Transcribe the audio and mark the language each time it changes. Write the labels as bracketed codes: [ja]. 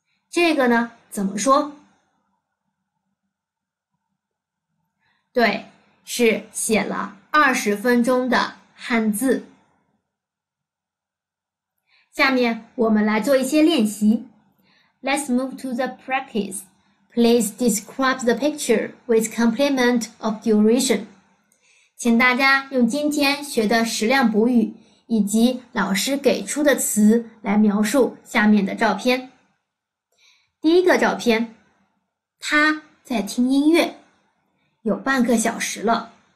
[zh] 这个呢，怎么说？对，是写了20分钟的汉字。下面我们来做一些练习。 [en] Let's move to the practice. Please describe the picture with complement of duration. [zh] 请大家用今天学的矢量补语以及老师给出的词来描述下面的照片。第一个照片，他在听音乐，有半个小时了。